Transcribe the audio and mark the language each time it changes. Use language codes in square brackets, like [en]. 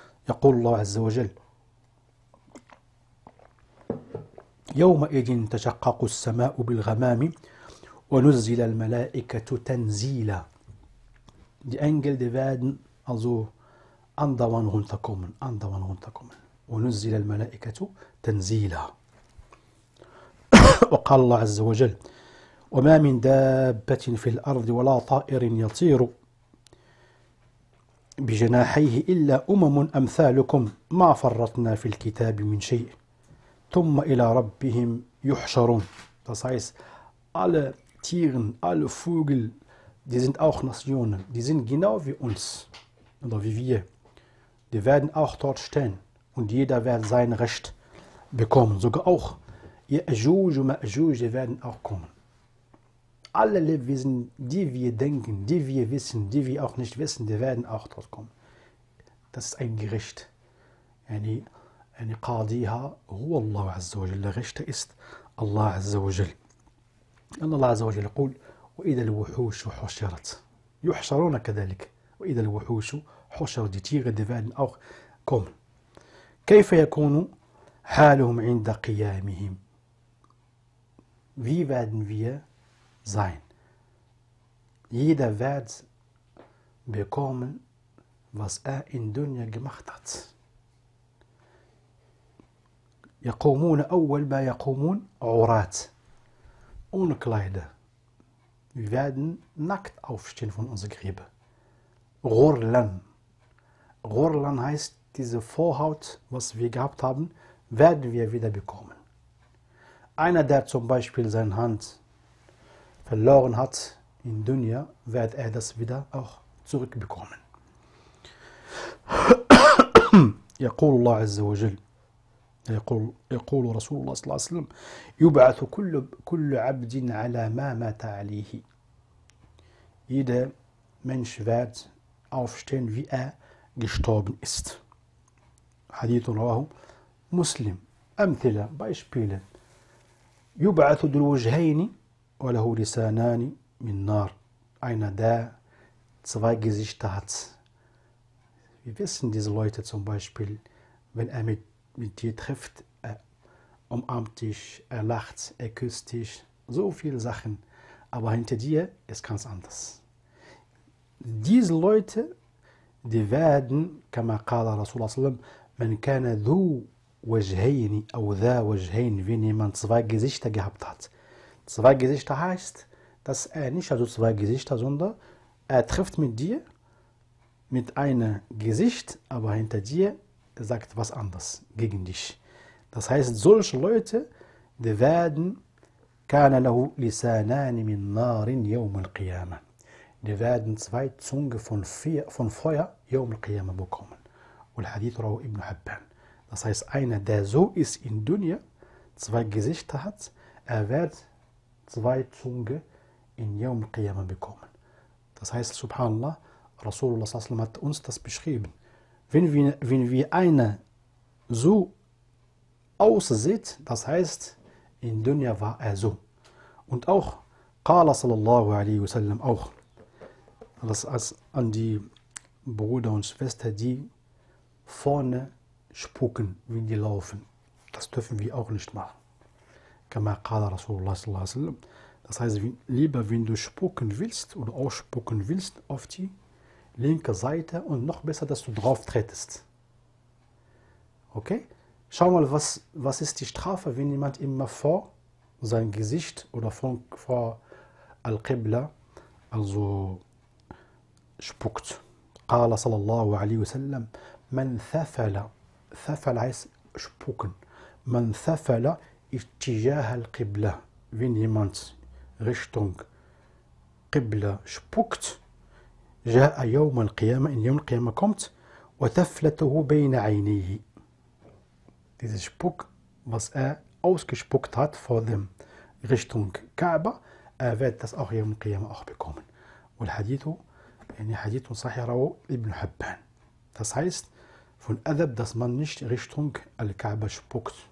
[ar] يقول الله عز وجل: يومئذ تشقق السماء بالغمام ونزل الملائكة تنزيلا. [de] Die Engel, die werden also andauernd runterkommen, andauernd runterkommen. [ar] ونزل الملائكة تنزيلا. وقال الله عز وجل: وما من دابة في الأرض ولا طائر يطير بجناحيه إلا أمم أمثالكم ما فرطنا في الكتاب من شيء ثم إلى ربهم يحشرون. [de] Das heißt, alle Tieren, alle Vögel, die sind auch Nationen, die sind genau wie uns oder wie wir. Die werden auch dort stehen und jeder wird sein Recht bekommen. Sogar auch Ya'juj und Ma'juj, die werden auch kommen. Alle Lebewesen, die wir denken, die wir wissen, die wir auch nicht wissen, die werden auch dort kommen. Das ist ein Gericht. Eine Qadiha, huwa Allah Azza wa Jalla. Der Richter ist Allah Azza wa Jalla. [ar] Allah Azza wa Jalla قول: وَإِذَا الْوُحُوشُ حُشِرَتْ يُحْشَرُونَ كَذَلِكَ وَإِذَا الْوُحُوشُ حُشِرَتْ. [de] Die Tiere, die werden auch kommen. [ar] كَيْفَ يَكُونُ حَالُهُمْ عِنْدَ قِيَامِهِمْ. [de] Wie werden wir sein? Jeder wird bekommen, was er in Dunya gemacht hat. [ar] يقومون أول ما يقومون عورات. [de] Ohne Kleider. Wir werden nackt aufstehen von unserer Grippe. Ghurlan. Ghurlan heißt, diese Vorhaut, was wir gehabt haben, werden wir wieder bekommen. Einer, der zum Beispiel seine Hand verloren hat in Dunya, wird er das wieder auch zurückbekommen. [ar] يقول الله عز وجل يقول رسول الله صلى الله عليه وسلم: يبعث كل عبد على ما مات عليه. [de] Jeder Mensch wird aufstehen, wie er gestorben ist. [ar] حديث رواه مسلم. أمثلة Beispiele: يبعث ذو الوجهين وله لسانان من نار. [de] Einer, der zwei Gesichter hat. Wir wissen, diese Leute zum Beispiel, wenn er mit dir trifft, er umarmt dich, er lacht, er küsst dich, so viele Sachen. Aber hinter dir ist ganz anders. Diese Leute, die werden, [ar] كما قال رسول الله صلى الله عليه وسلم, من كان ذو وجهين أو ذا وجهين, [de] wenn jemand zwei Gesichter gehabt hat. Zwei Gesichter heißt, dass er nicht also zwei Gesichter, sondern er trifft mit dir mit einem Gesicht, aber hinter dir sagt was anderes gegen dich. Das heißt, solche Leute, die werden, [ar] كان له لسانان من نار يوم القيامة. [de] Die werden zwei Zungen von Feuer يوم القيامة bekommen. [ar] والحديث رواه ابن حبان. [de] Das heißt, einer, der so ist in Dunya, zwei Gesichter hat, er wird zwei Zunge in يوم القيامة bekommen. Das heißt, subhanallah, Rasulullah sallallahu alaihi wasallam hat uns das beschrieben. Wenn wir einer so aussieht, das heißt, in Dunya war er so. Und auch Qala sallallahu alaihi wasallam auch, das heißt, an die Brüder und Schwestern, die vorne spucken, wenn die laufen. Das dürfen wir auch nicht machen. [ar] كما قال رسول الله صلى الله عليه وسلم. [de] Das heißt, lieber wenn du spucken willst oder ausspucken willst auf die linke Seite und noch besser, dass du drauf trittest. Okay? Schau mal, was ist die Strafe, wenn jemand immer vor sein Gesicht oder vor Al-Qibla also spuckt. [ar] قال صلى الله عليه وسلم: من ثفل. [de] ثفل heißt spucken. [ar] من ثفل اتجاه القبلة. [de] Wenn jemand Richtung Qibla spuckt, [ar] جاء يوم القيامة, [de] in يوم القيامة kommt, [ar] وتفلته بين عينيه. [de] Dieser Spuck, was er ausgespuckt hat vor dem Richtung Kaaba, Er wird das auch hier im Qiyamah auch bekommen. Und Hadith, yani Hadith Sahih Rawi Ibn Hibban. Das heißt, von Adab, dass man nicht Richtung Al-Kaaba spuckt.